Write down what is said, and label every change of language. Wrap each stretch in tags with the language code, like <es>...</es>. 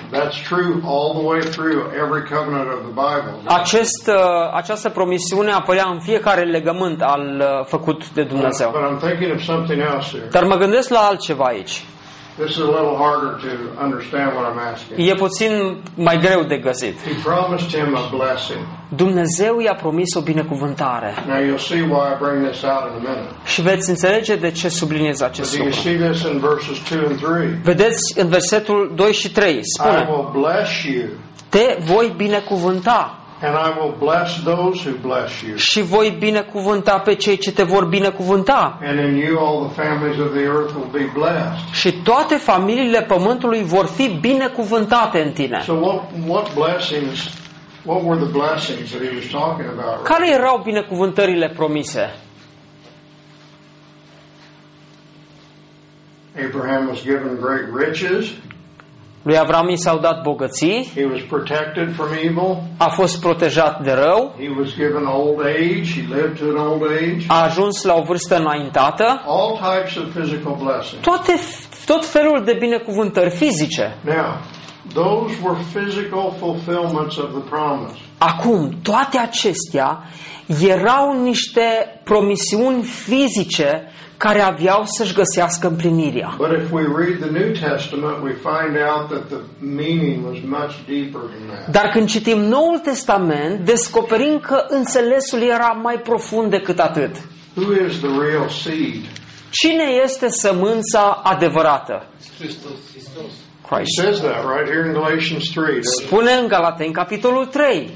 <en>That's true all the way through every covenant of the Bible.</en> <ro>Această promisiune apărea în fiecare legământ al făcut de Dumnezeu.</ro> <en>But I'm thinking of something else here.</en> <ro>Dar mă gândesc la altceva aici.</ro> <en>This is a little harder to understand what I'm asking.</en> <ro>E puțin mai greu de găsit.</ro> <en>He promised him a blessing.</en> <ro>Dumnezeu i-a promis o binecuvântare.</ro> <en>Now you'll see why I bring this out in a minute.</en> <ro>Și veți înțelege de ce subliniez acest lucru.</ro> <en>But you see this in verses 2 and 3.</en> <ro>Vedeți în versetul 2 și 3. Spune:</ro> <en>I will bless you.</en> <ro>Te voi binecuvânta.</ro> <en>And I will bless those who bless you.</en> <ro>Și voi binecuvânta pe cei ce te vor binecuvânta.</ro> <en>And in you all the families of the earth will be blessed.</en> <ro>Și toate familiile pământului vor fi binecuvântate în tine.</ro> <en>So what blessings What were the blessings that he was talking about?</en> <ro>Care erau binecuvântările promise?</ro> <en>Abraham was given great riches.</en> <ro>Lui Avram i s-au dat bogății.</ro> <en>He was protected from evil.</en> <ro>A fost protejat de rău.</ro> <en>He was given old age. He lived to an old age.</en> <ro>A ajuns la o vârstă înaintată.</ro> <en>All types of physical blessings.</en> <ro>Tot felul de binecuvântări fizice.</ro> <en>Now, those were physical fulfillments of the promise.</en> <ro>Acum, toate acestea erau niște promisiuni fizice care aveau să-și găsească împlinirea.</ro> <en>But if we read the New Testament, we find out that the meaning was much deeper than that.</en> <ro>Dar când citim Noul Testament, descoperim că înțelesul era mai profund decât atât.</ro> <en>Who is the real seed?</en> <ro>Cine este sămânța adevărată?</ro> <en>Christ. He says that right here in Galatians 3.</en> <ro>Spune în Galaten capitolul 3.</ro>